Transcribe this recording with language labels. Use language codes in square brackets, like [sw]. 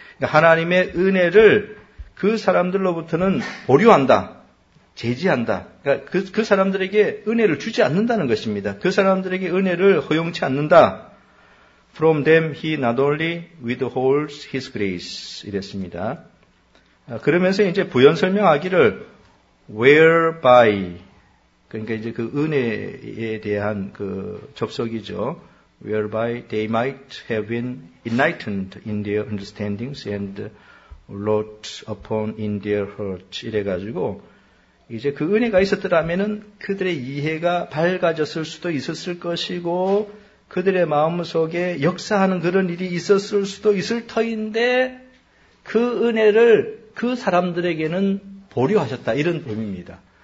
[ko] 그러니까 하나님의 은혜를 그 사람들로부터는 보류한다, 제지한다. 그러니까 그 사람들에게 은혜를 주지 않는다는 것입니다. 그 사람들에게 은혜를 허용치 않는다. [en] From them he not only withholds his grace. [ko] 이랬습니다. 그러면서 이제 부연 설명하기를 whereby, 그러니까 이제 그 은혜에 대한 그 접속이죠. [en] whereby they might have been enlightened in their understandings and wrought upon in their hearts. [ko] 이래가지고 이제 그 은혜가 있었더라면은 그들의 이해가 밝아졌을 수도 있었을 것이고 그들의 마음속에 역사하는 그런 일이 있었을 수도 있을 터인데 그 은혜를 그 사람들에게는 보류하셨다 이런 의미입니다.